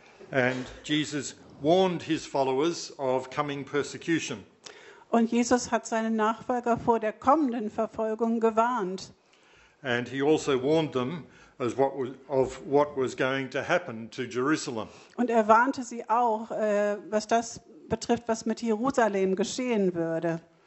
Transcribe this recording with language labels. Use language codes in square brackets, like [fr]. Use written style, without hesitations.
[en] And Jesus warned his followers of coming persecution. [de] Und Jesus hat seine Nachfolger vor der kommenden Verfolgung gewarnt. [en] And he also warned them of what was going to happen to Jerusalem. [de] Und er warnte sie auch, was das betrifft, was mit Jerusalem geschehen würde.